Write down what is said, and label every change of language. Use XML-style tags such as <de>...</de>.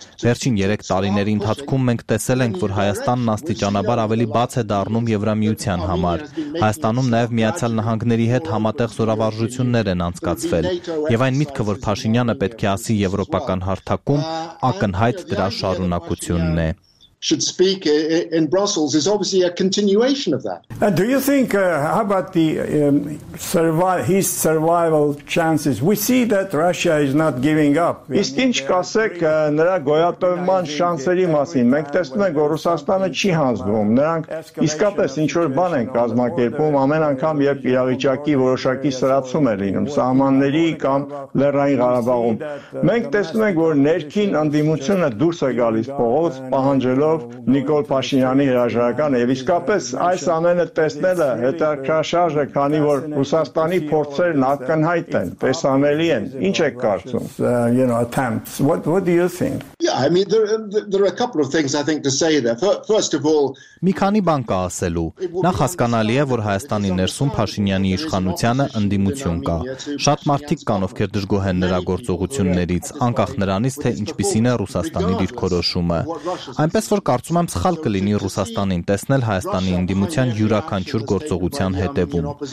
<hy>Վերջին 3 տարիների ընթացքում մենք տեսել ենք, որ Հայաստանն աստիճանաբար ավելի բաց է դառնում Եվրամիության համար։ Հայաստանում նաեւ Միացյալ Նահանգների հետ համատեղ զորավարժություններ են անցկացվել, եւ այն միտքը, որ Փաշինյանը պետք է ասի եվրոպական հարթակում, ակնհայտ դրա շարունակությունն է։</hy> <en>Should speak in Brussels is obviously a continuation of that. And do you think how about the his survival chances? We see that Russia is not giving up.</en> <hy>Իսկ ինչ կասեք նրա գոյատևման շանսերի մասին? Մենք տեսնում ենք, որ Ռուսաստանը չի հանձնվում։ Նրանք իսկապես ինչ-որ բան են կազմակերպում ամեն անգամ, երբ իրավիճակի որոշակի սրացում է լինում սահմանների կամ Լեռնային Ղարաբաղում։ Մենք տեսնում ենք, որ ներքին անդիմությունը դուրս է գալիս փողոց, պահանջելով Նիկոլ Փաշինյանի հրաժարական, եւ իսկապես այս ամենը տեսնելը հետաքրքրաշարժ է, քանի որ Ռուսաստանի փորձերն ակնհայտ են, տեսանելի են։ Ինչ եք կարծում?</hy> <en>You know, attempts. What do you think? Yeah, I mean there are a couple of things I think to say there. First of all,</en> <hy>մի քանի բան կա ասելու։ Նախ հասկանալի է, որ Հայաստանի ներսում Փաշինյանի իշխանությունը ընդդիմություն կա։ Շատ մարդիկ կան, ովքեր դժգոհ են նրա գործողություններից, անկախ նրանից, թե ինչպիսին է Ռուսաստանի դիրքորոշումը։ Այնպես որ կարծում եմ, սխալ կլինի Ռուսաստանին տեսնել Հայաստանի ընդդիմության յուրաքանչյուր գործողության հետևում,</hy>